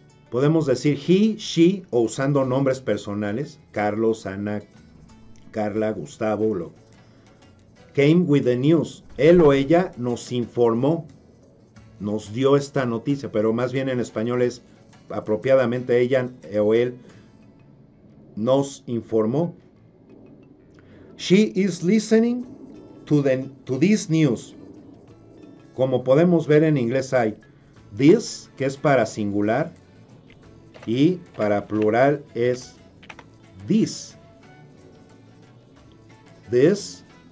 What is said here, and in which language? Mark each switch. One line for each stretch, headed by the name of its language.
Spanish: Podemos decir, he, she, o usando nombres personales, Carlos, Ana, Carla, Gustavo,
English: came with the news.
Spanish: Él o ella nos informó. Nos dio esta noticia, pero más bien en español es apropiadamente ella o él nos informó.
English: She is listening to this news.
Spanish: Como podemos ver en inglés hay this, que es para singular, y para plural es this. This,